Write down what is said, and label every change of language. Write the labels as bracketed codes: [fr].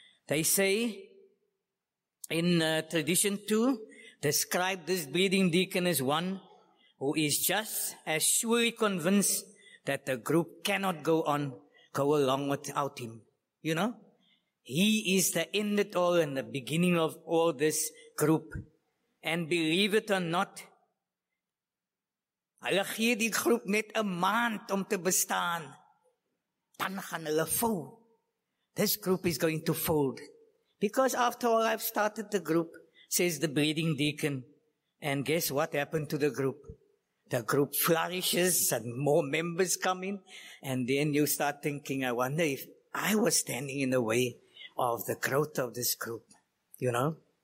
[en] They say, in tradition 2, describe this bleeding deacon as one who is just as surely convinced that the group cannot go along without him. You know? He is the end of all and the beginning of all this group. And believe it or not, [af] hulle gee die groep net 'n maand om te bestaan. Dan gaan hulle fold. [en] This group is going to fold. Because after all, I've started the group, says the bleeding deacon. And guess what happened to the group? The group flourishes and more members come in. And then you start thinking, I wonder if I was standing in the way of the growth of this group, you know?